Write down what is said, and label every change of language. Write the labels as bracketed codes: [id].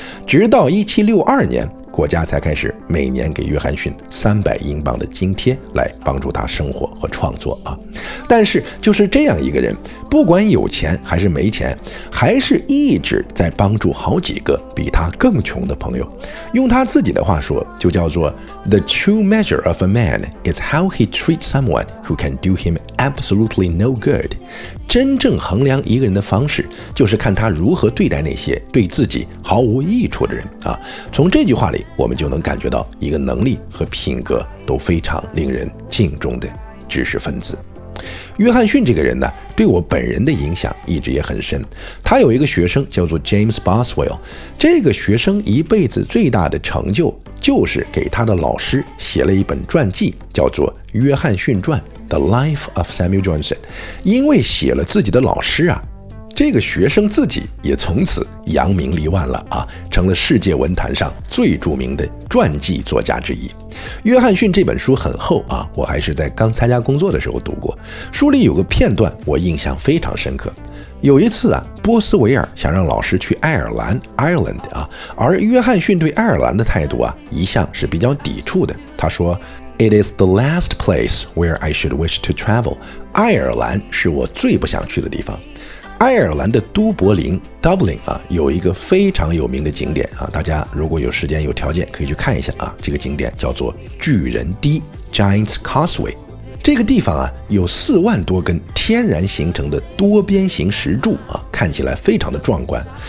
[zh] 直到1762年，国家才开始每年给约翰逊300英镑的津贴来帮助他生活和创作啊。但是就是这样一个人，不管有钱还是没钱，还是一直在帮助好几个比他更穷的朋友。用他自己的话说，就叫做 [en] The true measure of a man is how he treats someone who can do him absolutely no good. [zh] 真正衡量一个人的方式，就是看他如何对待那些对自己毫无益处的人啊。从这句话里，我们就能感觉到一个能力和品格都非常令人敬重的知识分子。约翰逊这个人呢，对我本人的影响一直也很深。他有一个学生叫做 James Boswell， 这个学生一辈子最大的成就就是给他的老师写了一本传记，叫做《约翰逊传》The Life of Samuel Johnson。因为写了自己的老师啊，这个学生自己也从此扬名立万了啊，成了世界文坛上最著名的传记作家之一。约翰逊这本书很厚啊，我还是在刚参加工作的时候读过。书里有个片段我印象非常深刻。有一次啊，波斯维尔想让老师去爱尔兰 Ireland 啊，而约翰逊对爱尔兰的态度啊一向是比较抵触的。他说 [en] It is the last place where I should wish to travel. [zh] 爱尔兰是我最不想去的地方。爱尔兰的都柏林 Dublin 啊，有一个非常有名的景点啊，大家如果有时间有条件可以去看一下啊。这个景点叫做巨人堤 Giant's Causeway。这个地方啊，有四万多根天然形成的多边形石柱啊，看起来非常的壮观。